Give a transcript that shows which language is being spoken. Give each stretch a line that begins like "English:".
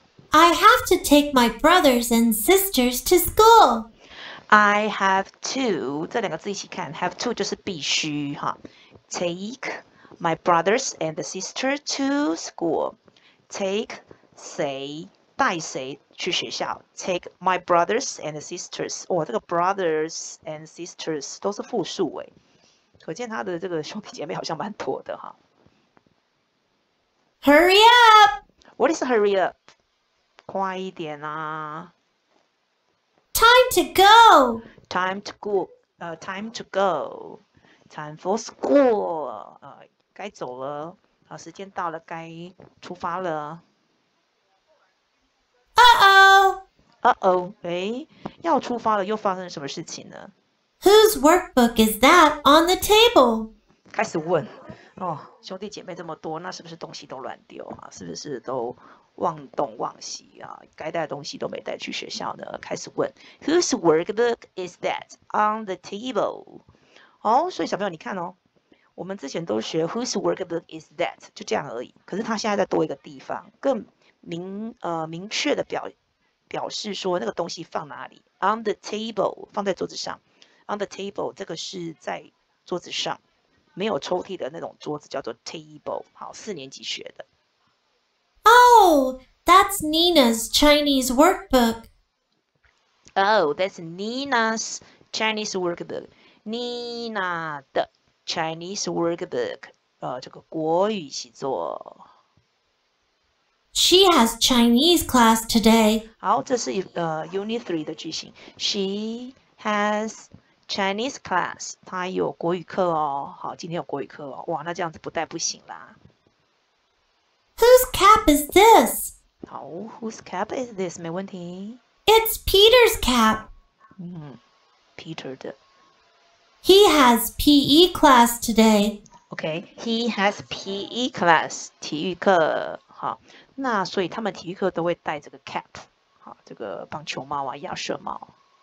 English: I have to take my brothers and sisters to school. I have to.
Chinese: 这两个字一起看 ，
English: have to
Chinese: 就是必须，哈。
English: Take my brothers and sister to school.
Chinese: Take 谁？带谁去学校 ？
English: Take my brothers and sisters。
Chinese: 哦，这个 brothers and sisters 都是复数哎，可见他的这个兄弟姐妹好像蛮多的哈。
English: Hurry up! What is hurry up?
Chinese: 快一点啊
English: ！Time to go! Time to go. Time to go. Time for school.
Chinese: 该走了啊，时间到了，该出发了。 Uh-oh! 哎，要出发了，又发生什么事情呢
English: ？Whose workbook is that on the table?
Chinese: 开始问，哦，兄弟姐妹这么多，那是不是东西都乱丢啊？是不是都忘东忘西啊？该带的东西都没带去学校呢？开始问
English: ，Whose workbook is that on the table?
Chinese: 哦，所以小朋友你看哦，我们之前都学
English: Whose workbook is that
Chinese: 就这样而已，可是他现在在多一个地方，更。明确的表示说那个东西放哪里 ？
English: On the table，
Chinese: 放在桌子上。
English: On the table，
Chinese: 这个是在桌子上，没有抽屉的那种桌子叫做 table。好，四年级学的。
English: Oh, that's Nina's Chinese workbook. Oh, that's Nina's Chinese workbook.
Chinese: Nina 的 Chinese workbook， 这个国语习作。
English: She has Chinese class today.
Chinese: 好，这是Unit 3的句型。
English: She has Chinese class.
Chinese: 她有国语课哦。好，今天有国语课哦。哇，那这样子不带不行啦。
English: Whose cap is this? 好 ，Whose cap is this?
Chinese: 没问题。
English: It's Peter's cap.
Chinese: Peter 的。
English: He has PE class today. Okay, he has PE class.
Chinese: 体育课。哈，那所以他们体育课都会戴这个 cap， 哈，这个棒球帽啊，鸭舌帽。